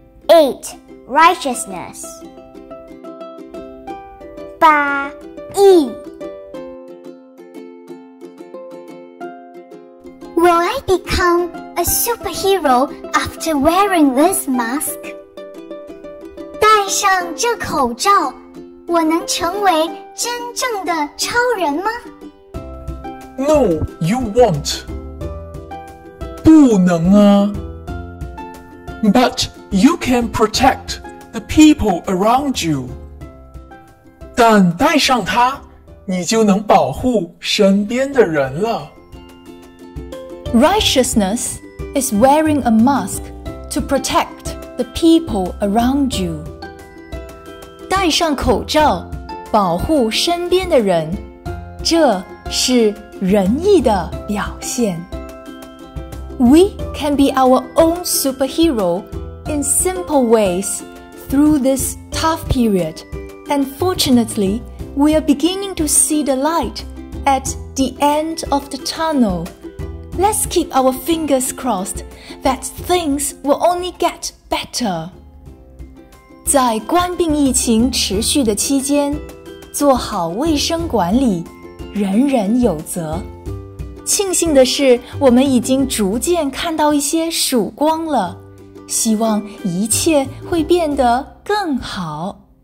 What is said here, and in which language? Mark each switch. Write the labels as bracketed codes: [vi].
[en] 8. Righteousness 八义Will I become a superhero after wearing this mask? [zh] 戴上这口罩，我能成为真正的超人吗？ [en] No, you won't. [zh] 不能啊。 [en] But you can protect the people around you. [zh] 但戴上它，你就能保护身边的人了。 [en] Righteousness is wearing a mask to protect the people around you. [zh] 戴上口罩，保护身边的人，这是仁义的表现。 [en] We can be our own superhero in simple ways through this tough period. And fortunately, we are beginning to see the light at the end of the tunnel. Let's keep our fingers crossed that things will only get better. [zh] 在冠病疫情持续的期间，做好卫生管理，人人有责。庆幸的是，我们已经逐渐看到一些曙光了，希望一切会变得更好。